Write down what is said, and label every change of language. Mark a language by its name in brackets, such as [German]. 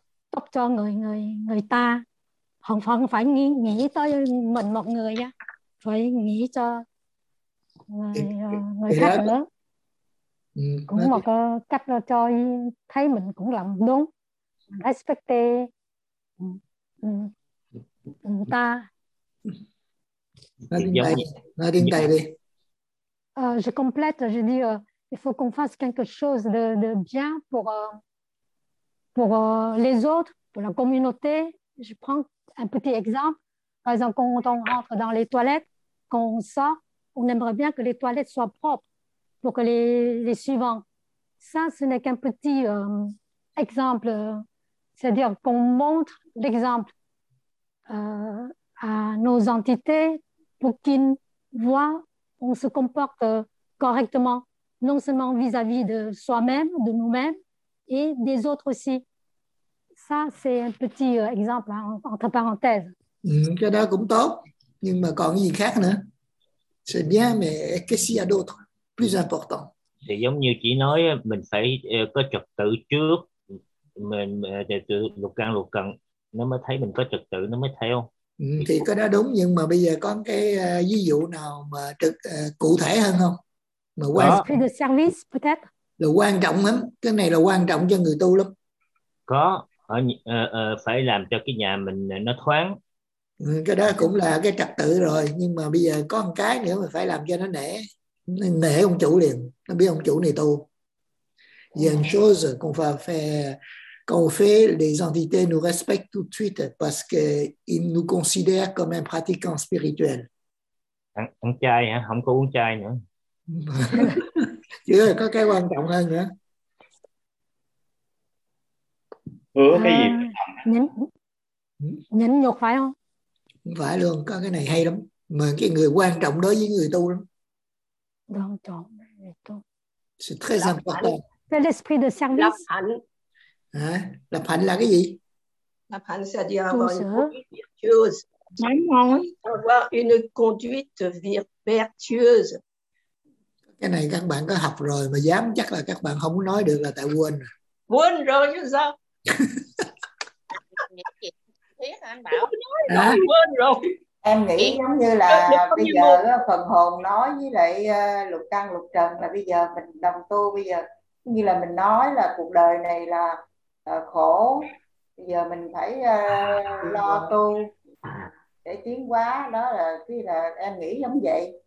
[Vietnamese] tốt cho người ta, không phải nghĩ tới mình một người á, phải nghĩ cho người khác nữa, cũng một cách cho thấy mình cũng làm đúng, respect người ta. Nói tiếng Tây đi. [French] Je complète, je dis, il faut qu'on fasse quelque chose de bien pour les autres, pour la communauté. Je prends un petit exemple. Par exemple, quand on rentre dans les toilettes, quand on sort, on aimerait bien que les toilettes soient propres pour que les suivants. Ça, ce n'est qu'un petit exemple. C'est-à-dire qu'on montre l'exemple à nos entités pour qu'ils voient. On se comporte correctement, non seulement vis-à-vis de soi-même, de nous-mêmes, et des autres aussi. Ça, c'est un petit exemple, hein, entre parenthèses. [Vietnamese] Cái đó cũng tốt, nhưng mà còn gì khác nữa? [French] C'est bien, mais qu'est-ce qu'il y a d'autre, plus important? [Vietnamese] Thì giống như chị nói, mình phải có trật tự trước, mình lục căn, nó mới thấy mình có trật tự, nó mới theo. Thì cái đó đúng, nhưng mà bây giờ có cái ví dụ nào mà cụ thể hơn không? Mà quan trọng. [French] Service, peut-être. [Vietnamese] Là quan trọng lắm. Cái này là quan trọng cho người tu lắm. Có. Phải làm cho cái nhà mình nó thoáng. Cái đó cũng là cái trật tự rồi, nhưng mà bây giờ có một cái nữa mà phải làm cho nó nể, nể ông chủ liền, nó biết ông chủ này tu. [French] Il y a une chose qu'on va faire, quand on fait, les entités nous respectent tout de suite parce qu'ils nous considèrent comme un pratiquant spirituel. [Vietnamese] Ăn chay hả? Không có uống chay nữa. Chứ có cái quan trọng hơn nữa. Ủa cái gì? Nhẫn nhục phải không? Không phải luôn, có cái này hay lắm. Mà cái người quan trọng đối với người tu lắm. Quan trọng người tu. [French] C'est très important. C'est l'esprit de service. [Vietnamese] Lập hạnh. Hả? Lập hạnh là cái gì? [French] Lập hạnh c'est dire avoir une virtuose. Avoir une conduite vertueuse. [Vietnamese] Cái này các bạn có học rồi mà dám chắc là các bạn không nói được là tại quên. Quên rồi chứ sao? Anh bảo nói quên rồi. Em nghĩ giống như là bây giờ phần hồn nói với lại lục căn lục trần là bây giờ mình đồng tu, bây giờ như là mình nói là cuộc đời này là khổ, bây giờ mình phải lo tu để tiến hóa, đó là cái là em nghĩ giống vậy.